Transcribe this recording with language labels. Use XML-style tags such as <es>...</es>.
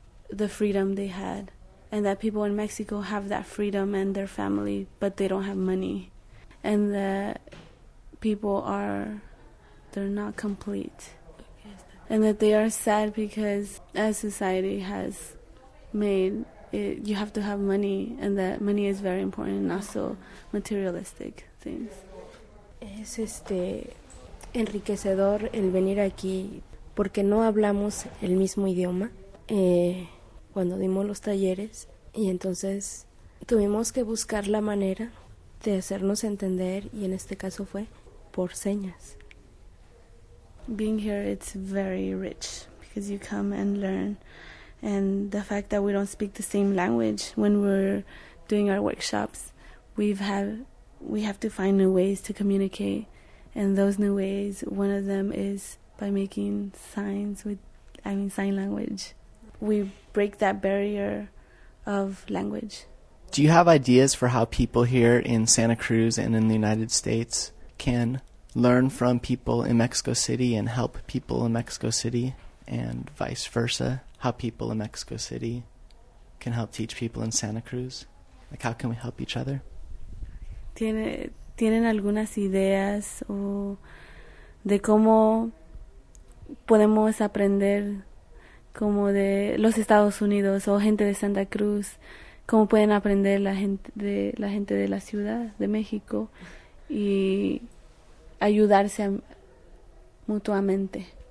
<en>the freedom they had, and that people in Mexico have that freedom and their family, but they don't have money, and that people are, they're not complete, and that they are sad because as society has made it, you have to have money, and that money is very important, and also materialistic things.</en> <es>Es enriquecedor el venir aquí porque no hablamos el mismo idioma cuando dimos los talleres, y entonces tuvimos que buscar la manera de hacernos entender, y en este caso fue por señas.</es> <en>Being here, it's very rich because you come and learn. And the fact that we don't speak the same language when we're doing our workshops, we have to find new ways to communicate. And those new ways, one of them is by making signs sign language. We break that barrier of language. Do you have ideas for how people here in Santa Cruz and in the United States can learn from people in Mexico City and help people in Mexico City, and vice versa? How people in Mexico City can help teach people in Santa Cruz? Like, how can we help each other?</en> <es>¿Tienen algunas ideas o de cómo podemos aprender como de los Estados Unidos o gente de Santa Cruz? ¿Cómo pueden aprender la gente de la ciudad de México y ayudarse mutuamente?</es>